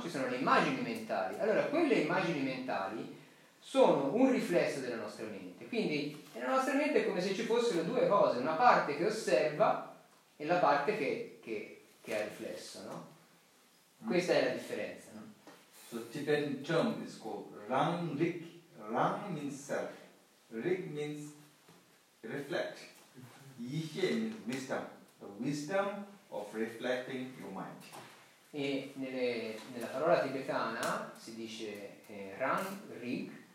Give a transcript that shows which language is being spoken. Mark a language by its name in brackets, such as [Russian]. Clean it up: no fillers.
[Italian] Ci sono le immagini mentali. Allora, quelle immagini mentali sono un riflesso della nostra mente. Quindi nella nostra mente è come se ci fossero due cose: una parte che osserva e la parte che ha riflesso, no? Questa è la differenza, no? [English] So Tibetan term is called Rang Rik. Rang means self. Rik means reflect. Yixie means wisdom. The wisdom of reflecting your mind. [Italian] E nella parola tibetana si dice Rang Rik.